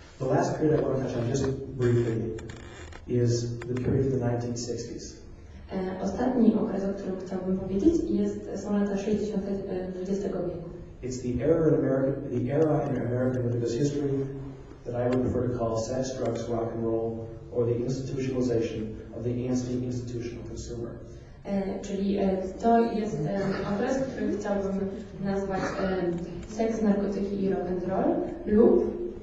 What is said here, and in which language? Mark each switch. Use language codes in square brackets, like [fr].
[en] The last period I want to touch on just briefly is the period of the 1960s. [pl] Ostatni okres, o którym chciałbym powiedzieć, są lata 60. XX wieku. [en] It's the era in American religious history that I would prefer to call sex, drugs, rock and roll, or the institutionalization of the anti-institutional consumer. [pl] Czyli to jest okres, który chciałbym nazwać seks, narkotyki i rock and roll, lub